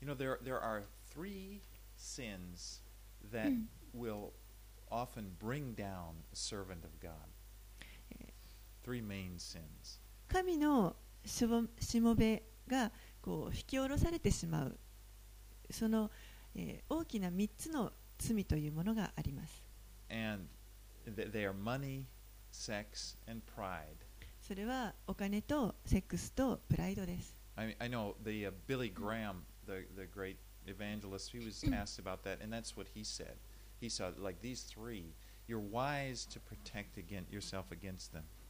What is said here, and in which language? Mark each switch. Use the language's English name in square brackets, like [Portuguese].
[English] You know, there are three sins that will often bring down a servant of God. Three main sins. [Japanese] 神のしもべがこう引き下ろされてしまう、その、大きな3つの罪というものがあります。 [English] And they are money, sex, and pride. [Japanese] それはお金とセックスとプライドです。 [English] I know the, Billy Graham, the great evangelist, he was asked about that, and that's what he said. He said, like these three, you're wise to protect against yourself against them.